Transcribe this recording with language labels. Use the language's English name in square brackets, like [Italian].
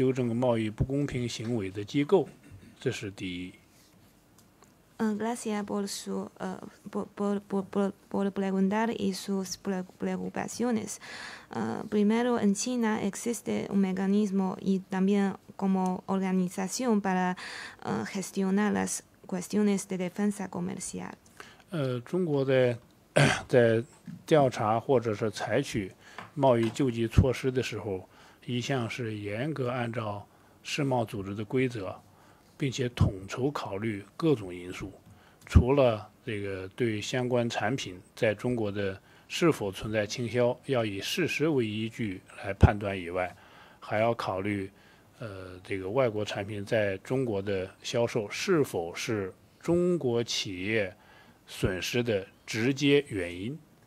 [Chinese] 第二个问题就是中方的企业会不会向那个委员会上诉，然后寻求修改他们的决议或者是关税。感谢参议员先生的提问和对这个问题的关心。中国呢，根据世贸组织的规则，我们也有自己的纠正贸易不公平行为的机构，这是第一。 [Spanish] Gracias por preguntar y sus preocupaciones. Primero, en China existe un mecanismo y también como organización para gestionar las cuestiones de defensa comercial. [Chinese] 中国在调查或者是采取贸易救济措施的时候，一向是严格按照世贸组织的规则，并且统筹考虑各种因素。除了这个对相关产品在中国的是否存在倾销，要以事实为依据来判断以外，还要考虑，这个外国产品在中国的销售是否是中国企业损失的直接原因。